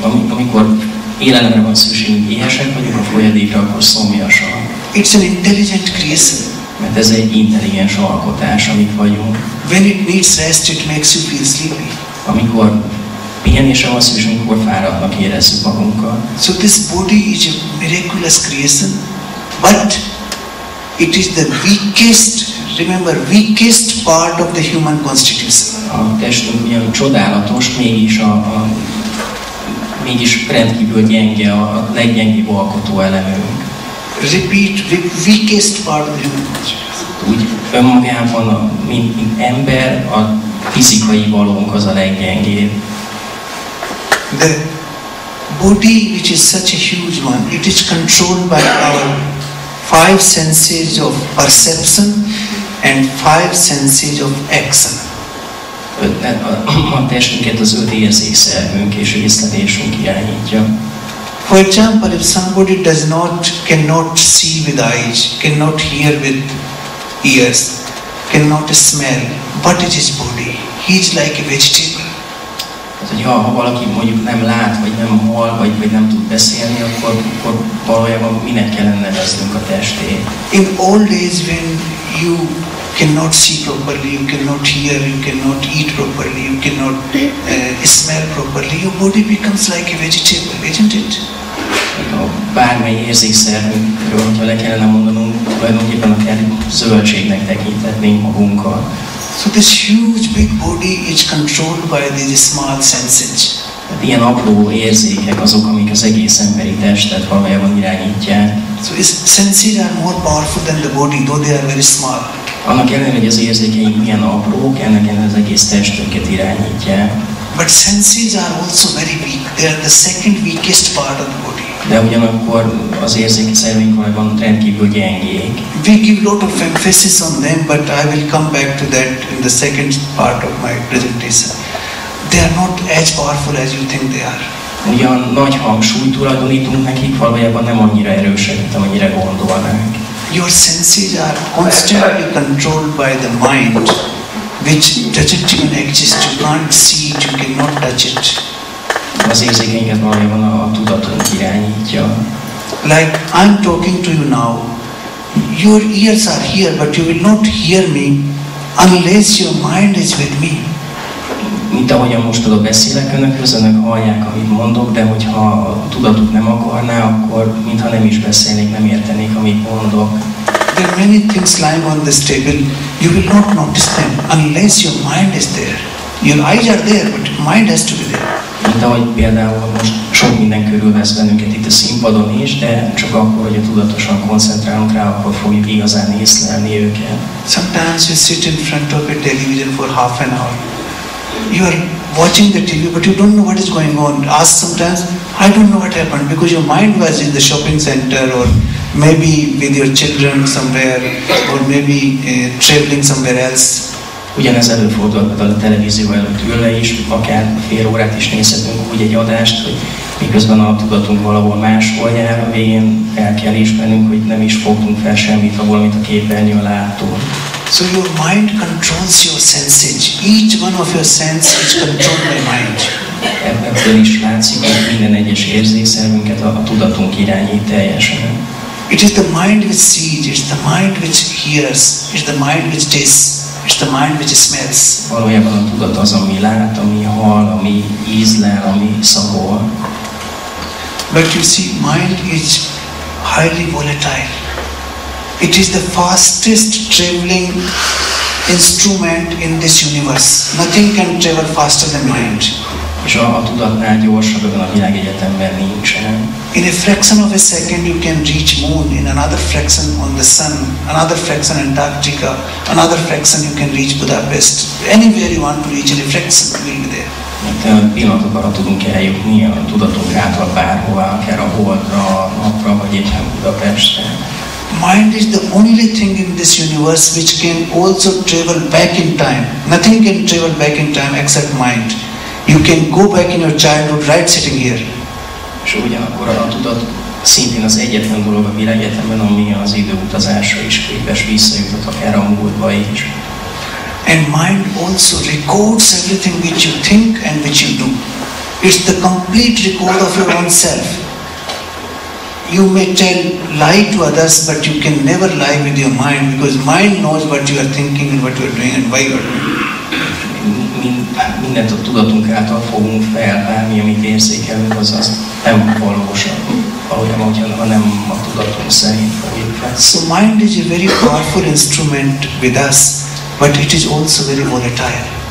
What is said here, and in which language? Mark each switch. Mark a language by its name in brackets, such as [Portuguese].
[Hungarian] Amikor élelemre van szükségünk, éhesek vagyunk, a folyadékra, akkor szomjasak. [English] It's an intelligent creation. [Hungarian] Mert ez egy intelligens alkotás, amit vagyunk. [English] When it needs rest, it makes you feel sleepy. [Hungarian] amikor pihenésre van szükség, amikor fáradtnak érezzük magunkat. [English] So this body is a miraculous creation, but it is the weakest, remember, weakest part of the human constitution. [Hungarian] A testünk ugyan csodálatos, mégis a mégis rendkívül gyenge, a leggyengébb alkotó elemünk. [English] Repeat, the weakest part of the human constitution. [Hungarian] Úgy önmagában, mint ember, a fizikai valónk az a leggyengébb. [English] The body, which is such a huge one, it is controlled by our five senses of perception and five senses of action. [Hungarian] A testünket az öt érzékszervünk és észlelésünk irányítja. [English] For example, if somebody does not, cannot see with eyes, cannot hear with ears, cannot smell, what is his body? He is like a vegetable. [Hungarian] Hogy ha valaki mondjuk nem lát, vagy nem hall, vagy nem tud beszélni, akkor valójában minek kellene neveznünk a testét? [English] In old days when you cannot see properly, you cannot hear, you cannot eat properly, you cannot smell properly, your body becomes like a vegetable, isn't it? [Hungarian] Bármely érzékszervünkről, hogyha le kellene mondanunk, tulajdonképpen akár zöldségnek tekinthetnénk magunkat. [English] So this huge big body is controlled by these small senses. [Hungarian] Ilyen apró érzékek azok, amik az egész emberi testet valójában irányítják. [English] So its senses are more powerful than the body, though they are very small. [Hungarian] Annak ellenére, hogy az érzékeink milyen aprók, ennek ellenére az egész testünket irányítják. [English] But senses are also very weak. They are the second weakest part of the body. [Hungarian] De ugyanakkor az érzéki szerveink valójában rendkívül gyengék. [English] We give lot of emphasis on them, but I will come back to that in the second part of my presentation. They are not as powerful as you think they are. [Hungarian] Ugyan nagy hangsúlyt tulajdonítunk nekik, valójában nem annyira erősek, mint amennyire gondolnánk. [English] Your senses are constantly controlled by the mind, which doesn't even exist. You can't see it, you cannot touch it. [Hungarian] Az érzékeinket valójában a tudatunk irányítja. [English] Like I'm talking to you now, your ears are here, but you will not hear me unless your mind is with me. [Hungarian] Mint ahogyan most oda beszélek önökhöz, önök hallják, amit mondok, de hogyha a tudatuk nem akarná, akkor mintha nem is beszélnék, nem értenék, amit mondok. [English] There are many things lying on this table, you will not notice them unless your mind is there. Your eyes are there, but your mind has to be there. [Hungarian] Mint ahogy például most sok minden körülvesz bennünket itt a színpadon is, de csak akkor, hogy a tudatosan koncentrálunk rá, akkor fogjuk igazán észlelni őket. [English] Sometimes you sit in front of a television for half an hour. You are watching the TV, but you don't know what is going on. Ask sometimes, I don't know what happened, because your mind was in the shopping center, or maybe with your children somewhere, or maybe traveling somewhere else. [Hungarian] Ugyanez előfordulhat a televízió előtt ülve is, akár fél órát is nézhetünk úgy egy adást, hogy miközben a tudatunk valahol máshol jár, a végén el kell ismernünk, hogy nem is fogtunk fel semmit, ha valamit a képernyőn láttunk. [English] So your mind controls your senses. Each one of your senses is controlled by mind. [Hungarian] Ebből is látszik, hogy minden egyes érzékszervünket a tudatunk irányít teljesen. [English] It is the mind which sees, it's the mind which hears, it's the mind which tastes. It's the mind which smells. [Hungarian] Valójában a tudat az, ami lát, ami hall, ami ízlel, ami szagol. [English] But you see, mind is highly volatile. It is the fastest traveling instrument in this universe. Nothing can travel faster than mind. [Hungarian] És a tudatnál gyorsabb ebben a világegyetemben nincsen. [English] In a fraction of a second you can reach moon, in another fraction on the sun, another fraction Antarctica, another fraction you can reach Budapest. Anywhere you want to reach, in a fraction you will be there. [Hungarian] Mert pillanatok arra tudunk eljutni a tudatunk által bárhová, akár a Holdra, a Napra, vagy éppen Budapestre. [English] Mind is the only thing in this universe which can also travel back in time. Nothing can travel back in time except mind. You can go back in your childhood right sitting here. [Hungarian] És ugyanakkor a tudat szintén az egyetlen dolog a világegyetemben, ami az időutazásra is képes visszajutat, akár a múltba is. [English] And mind also records everything which you think and which you do. It's the complete record of your own self. You may tell lie to others, but you can never lie with your mind, because mind knows what you are thinking and what you are doing and why you are doing it. [Hungarian] mindent a tudatunk által fogunk fel, bármi, amit érzékelünk, az az nem valós, ha nem a tudatunk szerint fogjuk fel. [English] So mind is a very powerful instrument with us, but it is also very volatile.